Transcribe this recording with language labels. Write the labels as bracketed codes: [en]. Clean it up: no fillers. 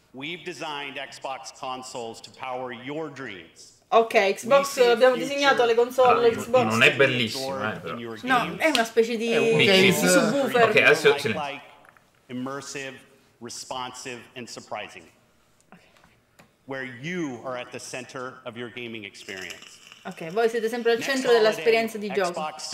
[en] we've designed Xbox consoles to power your dreams. [it] Ok, Xbox, abbiamo disegnato le console, allora, Xbox. Non è bellissimo, però. No, è una specie di subwoofer. [en] Ok, [it] adesso [en] immersive, responsive and surprising. Where you are at the center of your gaming experience. [it] Ok, voi siete sempre al centro dell'esperienza di gioco.